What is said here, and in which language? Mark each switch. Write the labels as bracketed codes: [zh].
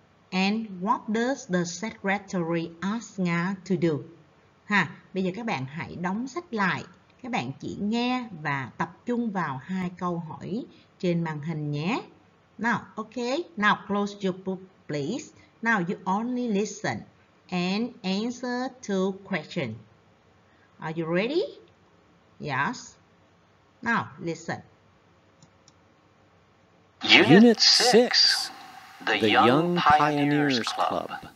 [en] And what does the secretary ask Nga to do? [vi] Ha, bây giờ các bạn hãy đóng sách lại. Các bạn chỉ nghe và tập trung vào hai câu hỏi trên màn hình nhé. [en] Now, okay. Now, close your book, please. Now, you only listen and answer two questions. Are you ready? Yes. Now, listen. Unit 6. The Young Pioneers Club.